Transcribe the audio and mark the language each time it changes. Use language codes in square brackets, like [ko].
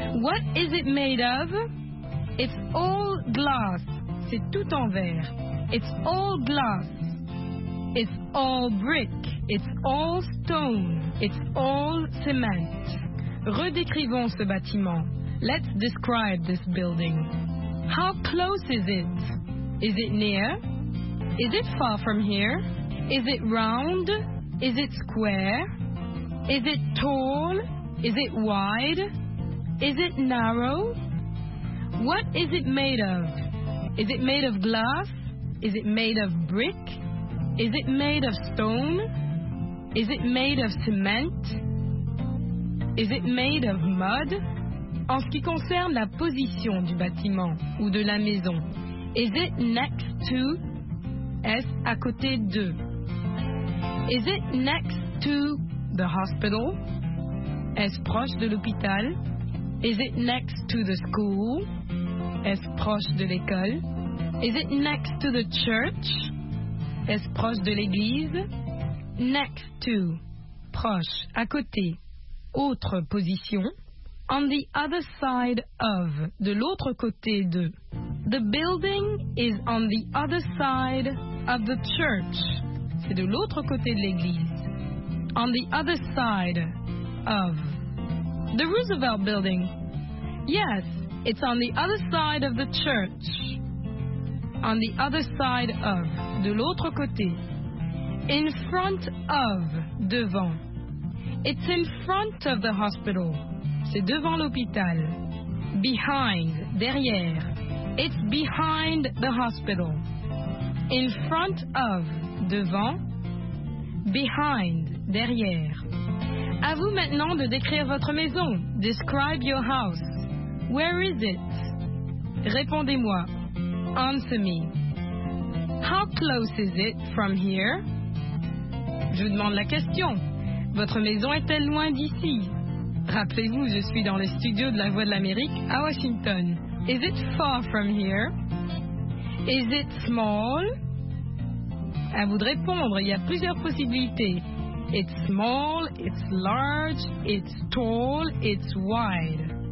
[en] What is it made of? It's all glass. [fr] C'est tout en verre. [en] It's all glass. It's all brick. It's all stone. It's all cement. [fr] Redécrivons ce bâtiment. [en] Let's describe this building. How close is it? Is it near? Is it far from here? Is it round? Is it square? Is it tall? Is it wide? Is it narrow? What is it made of? Is it made of glass? Is it made of brick? Is it made of stone? Is it made of cement? Is it made of mud? [fr] En ce qui concerne la position du bâtiment ou de la maison, [en] is it next to? [fr] Est-ce à côté de? [en] Is it next to the hospital? [fr] Est-ce proche de l'hôpital? [en] Is it next to the school? [fr] Est-ce proche de l'école? [en] Is it next to the church? [fr] Est-ce proche de l'église? [en] Next to, [fr] proche, à côté. Autre position. [en] On the other side of, [fr] de l'autre côté de. [en] The building is on the other side of the church. [fr] C'est de l'autre côté de l'église. [en] On the other side of. The Roosevelt building. Yes, it's on the other side of the church. On the other side of, [fr] de l'autre côté. [en] In front of, devant. It's in front of the hospital. [fr] C'est devant l'hôpital. [en] Behind, derrière. It's behind the hospital. In front of, devant. Behind, derrière. [fr] À vous maintenant de décrire votre maison. [en] Describe your house. Where is it? [fr] Répondez-moi. [en] Answer me. How close is it from here? [fr] Je vous demande la question. Votre maison est-elle loin d'ici? Rappelez-vous, je suis dans le studio de la Voix de l'Amérique à Washington. [en] Is it far from here? Is it small? [fr] À vous de répondre, il y a plusieurs possibilités. [en] It's small, it's large, it's tall, it's wide.